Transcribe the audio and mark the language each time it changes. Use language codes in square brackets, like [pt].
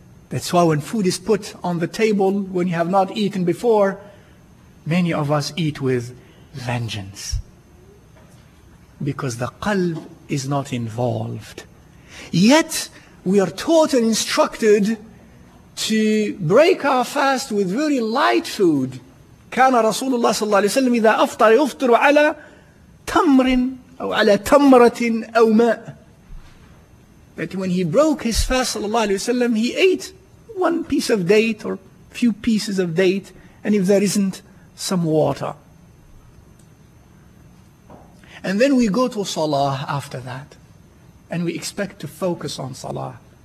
[en] That's why when food is put on the table, when you have not eaten before, many of us eat with vengeance. Because the qalb is not involved. Yet, we are taught and instructed to break our fast with very light food. [ar] كان رسول الله صلى الله عليه وسلم إذا أفطر يفطر على تمر أو على تمرة أو ماء. [en] That when he broke his fast, صلى الله عليه وسلم, he ate one piece of date or few pieces of date, and if there isn't, some water. And then we go to Salah after that, and we expect to focus on Salah.